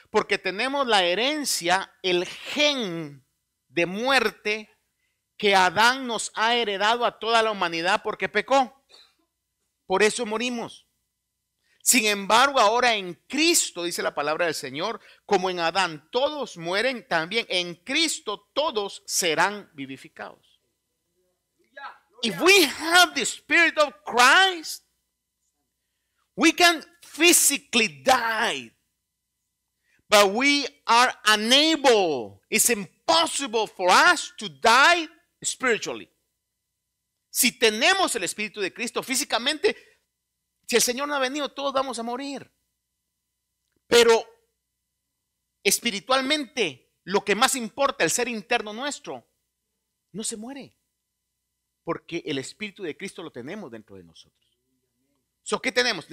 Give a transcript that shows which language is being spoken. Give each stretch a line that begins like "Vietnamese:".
Spanish: Porque tenemos la herencia, el gen de muerte que Adán nos ha heredado a toda la humanidad porque pecó. Por eso morimos. Sin embargo, ahora en Cristo, dice la palabra del Señor, como en Adán todos mueren, también en Cristo todos serán vivificados.
English: If we have the Spirit of Christ, we can physically die, but we are unable, it's impossible for us to die spiritually.
Spanish: Si tenemos el Espíritu de Cristo físicamente, si el Señor no ha venido, todos vamos a morir. Pero espiritualmente, lo que más importa, el ser interno nuestro, no se muere. Porque el Espíritu de Cristo lo tenemos dentro de nosotros. So, ¿qué tenemos?